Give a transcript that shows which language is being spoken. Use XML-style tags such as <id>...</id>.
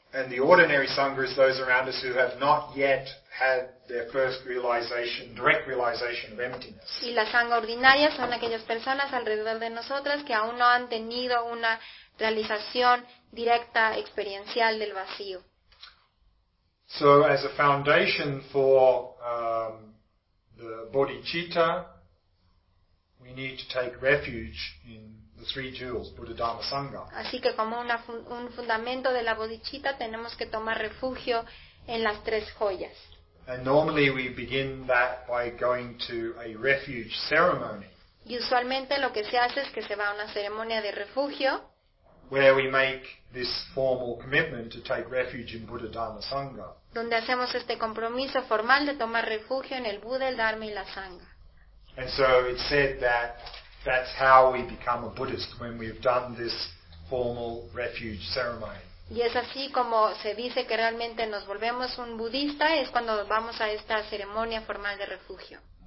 <en>And the ordinary Sangha is those around us who have not yet had their first realization, direct realization of emptiness.</en> <es>Y la Sangha ordinaria son aquellas personas alrededor de nosotras que aún no han tenido una realización directa experiencial del vacío.</es> <en>So as a foundation for the bodhicitta, we need to take refuge in the three jewels, Buddha, Dharma, Sangha.</en> <es>Así que como un fundamento de la bodhicitta, tenemos que tomar refugio en las tres joyas.</es> <en>And normally we begin that by going to a refuge ceremony.</en> <es>Y usualmente lo que se hace es que se va a una ceremonia de refugio.</es> <en>Where we make this formal commitment to take refuge in Buddha, Dharma, Sangha.</en> <es>Donde hacemos este compromiso formal de tomar refugio en el Buda, el Dharma y la Sangha.</es> <en>And so it's said that that's how we become a Buddhist, when we've done this formal refuge ceremony.</en> <es>Y es así como se dice que realmente nos volvemos un budista, es cuando vamos a esta ceremonia formal de refugio.</es>